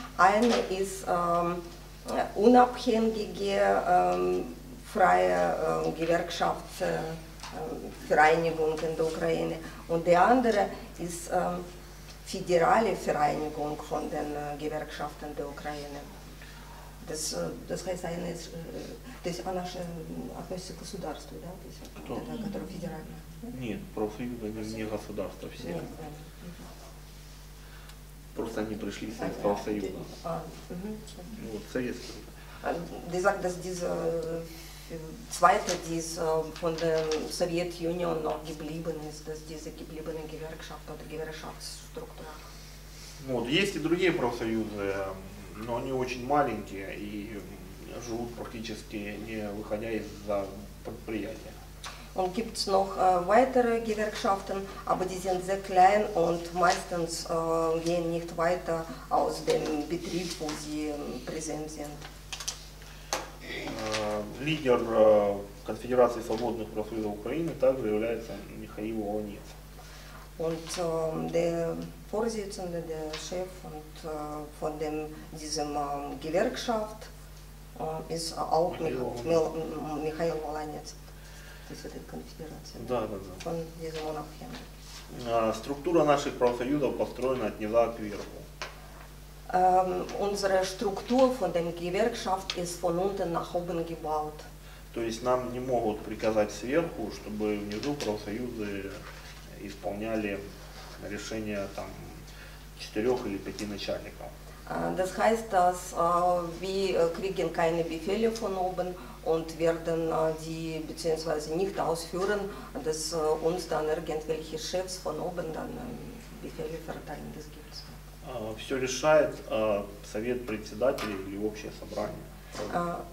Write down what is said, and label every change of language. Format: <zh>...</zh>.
<de>Eine ist unabhängige freie Gewerkschaftsvereinigung in der Ukraine und die andere ist föderale Vereinigung von den Gewerkschaften der Ukraine. Das heißt, eine ist, das ist eine andere</de> <ru>государство, да? Которая федеральная. Нет, профсоюзы не государство все. Просто они пришли из профсоюза. Вот, советский.</ru> <de>Die sagt, dass diese zweite, die ist von der Sowjetunion noch geblieben ist, dass diese gebliebene Gewerkschaft oder Gewerkschaftsstruktur.</de> <ru>Вот, есть и другие профсоюзы. Но они очень маленькие и живут практически не выходя из-за предприятия.</ru> <de>Und gibt es noch weitere Gewerkschaften, aber die sind sehr klein und meistens gehen nicht weiter aus dem Betrieb, wo sie präsent sind.</de> <ru>Лидер Конфедерации свободных профсоюзов Украины также является Михаил Волонец.</ru> <de>Und der Vorsitzende, der Chef und, von dem, diesem Gewerkschaft ist auch Michael Volanets, das ist die Konfederation von diesem Monarchien.</de> <ru>Struktura naszych profsoyuzov построена от низа кверху.</ru> <de>Unsere Struktur von der Gewerkschaft ist von unten nach oben gebaut.</de> <ru>То есть нам не могут приказать сверху, чтобы внизу профсоюзы исполняли решения там четырех или пяти начальников.</ru> <de>Das heißt, dass wir kriegen keine Befehle von oben und werden die bzw. nicht ausführen, dass uns dann irgendwelche Chefs von oben dann Befehle verteilen. Das gibt's.</de> <ru>Все решает совет председателей или общее собрание.</ru>